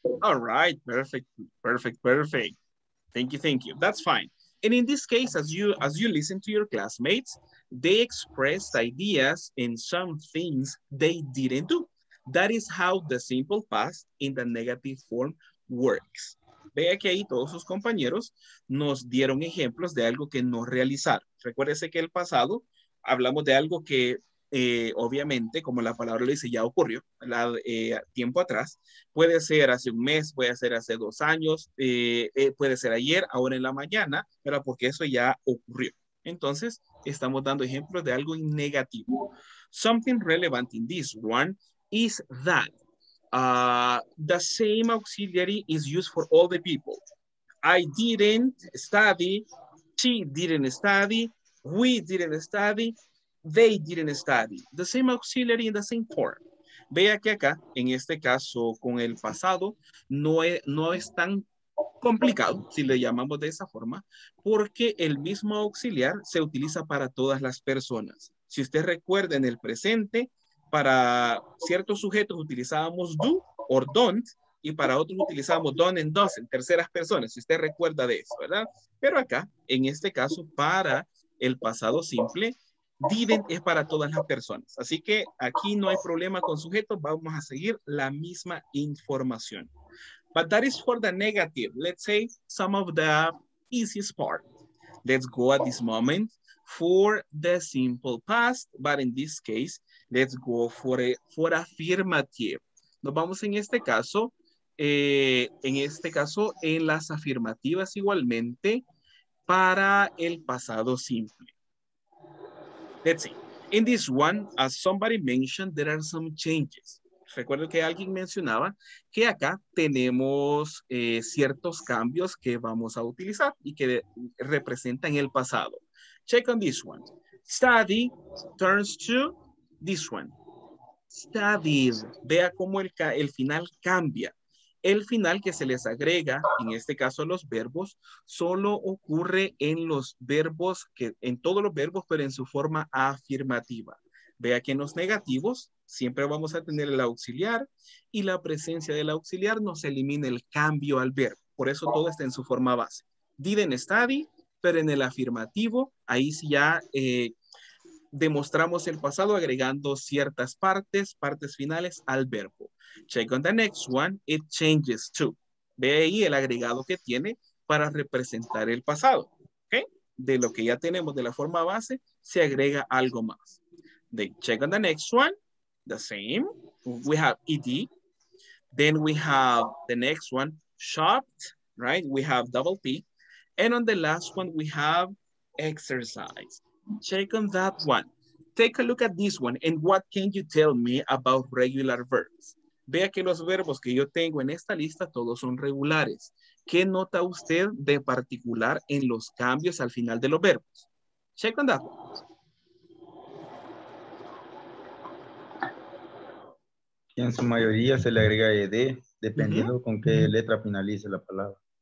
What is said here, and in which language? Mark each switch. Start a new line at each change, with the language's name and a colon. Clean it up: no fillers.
English: All right, perfect. Thank you. That's fine. And in this case, as you listen to your classmates, they expressed ideas in some things they didn't do. That is how the simple past in the negative form works.
Spanish: Vea que ahí todos sus compañeros nos dieron ejemplos de algo que no realizaron. Recuérdese que el pasado hablamos de algo que obviamente, como la palabra lo dice, ya ocurrió tiempo atrás. Puede ser hace un mes, puede ser hace dos años, puede ser ayer, ahora en la mañana, pero porque eso ya ocurrió. Entonces, estamos dando ejemplos de algo negativo.
English: Something relevant in this one is that the same auxiliary is used for all the people. I didn't study, she didn't study, we didn't study, they didn't study. The same auxiliary in the same form.
Spanish: Vea que acá, en este caso con el pasado, no es tan complicado, si le llamamos de esa forma, porque el mismo auxiliar se utiliza para todas las personas. Si usted recuerda en el presente, para ciertos sujetos utilizábamos do o don't, y para otros utilizábamos don and doesn't, terceras personas, si usted recuerda de eso, ¿verdad? Pero acá, en este caso, para el pasado simple, didn't es para todas las personas. Así que aquí no hay problema con sujetos, vamos a seguir la misma información.
English: But that is for the negative. Let's say some of the easiest part. Let's go at this moment for the simple past, but in this case, let's go for affirmative.
Spanish: Nos vamos en este caso, en las afirmativas igualmente para el pasado simple.
English: Let's see. In this one, as somebody mentioned, there are some changes.
Spanish: Recuerdo que alguien mencionaba que acá tenemos ciertos cambios que vamos a utilizar y que representan el pasado.
English: Check on this one. Study turns to this one. Studied.
Spanish: Vea cómo el final cambia. El final que se les agrega, en este caso los verbos, solo ocurre en los verbos, en todos los verbos, pero en su forma afirmativa. Vea que en los negativos siempre vamos a tener el auxiliar y la presencia del auxiliar nos elimina el cambio al verbo. Por eso todo está en su forma base.
English: Didn't study,
Spanish: pero en el afirmativo, ahí sí ya demostramos el pasado agregando ciertas partes finales al verbo.
English: Check on the next one, it changes too.
Spanish: Ve ahí el agregado que tiene para representar el pasado. ¿Okay? De lo que ya tenemos de la forma base, se agrega algo más.
English: Then check on the next one, the same. We have ed. Then we have the next one, shopped, right? We have double t. And on the last one, we have exercise. Check on that one. Take a look at this one. And what can you tell me about regular verbs?
Spanish: Vea que los verbos que yo tengo en esta lista todos son regulares. ¿Qué nota usted de particular en los cambios al final de los verbos?
English: Check on that one.
Spanish: En su mayoría se le agrega ed, dependiendo con qué letra finalice la palabra.